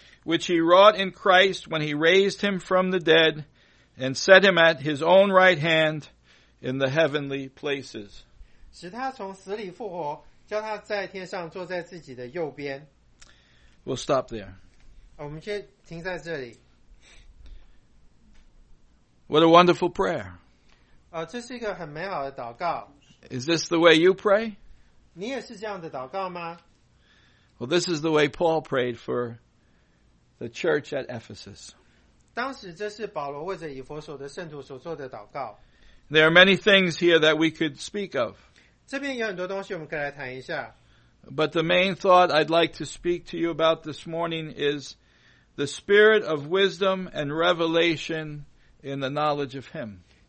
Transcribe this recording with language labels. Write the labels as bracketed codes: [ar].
[en] which He wrought in Christ when He raised Him from the dead and set Him at His own right hand in the heavenly places. [zh] 使他从死里复活, 叫他在天上坐在自己的右边。 [en] We'll stop there. [zh] 我们先停在这里。 [en] What a wonderful prayer. [zh] 这是一个很美好的祷告。 [en] Is this the way you pray? [zh] 你也是这样的祷告吗? [en] Well, this is the way Paul prayed for the church at Ephesus. [zh] 当时这是保罗为着以弗所的圣徒所做的祷告。 [en] There are many things here that we could speak of. [zh] 这边有很多东西我们可以来谈一下。 [en] But the main thought I'd like to speak to you about this morning is the spirit of wisdom and revelation in the knowledge of Him.